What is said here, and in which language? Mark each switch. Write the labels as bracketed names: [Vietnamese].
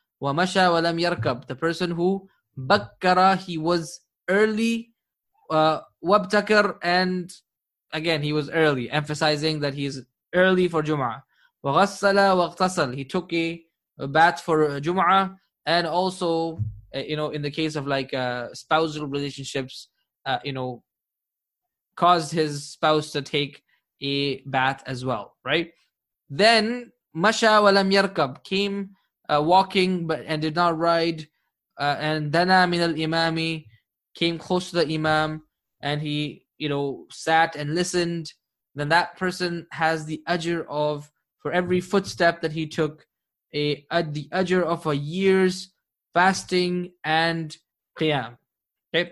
[Arabic] Wamasha walam yarkab. [English] The person who bakkara, he was early, wabtakar, and again, he was early, emphasizing that he is early for Jum'ah. [Arabic] وَغَسَّلَ وَاغْتَسَلَ. [English] He took a bath for Jum'ah. And also, you know, in the case of like spousal relationships, you know, caused his spouse to take a bath as well, right? Then, [Arabic] مَشَى وَلَمْ يَرْكَبْ. [English] Came walking but and did not ride. And [Arabic] دَنَا مِنَ الْإِمَامِ. [English] Came close to the imam and he, you know, sat and listened, then that person has the ajr of, for every footstep that he took, the ajr of a year's fasting and qiyam. Okay?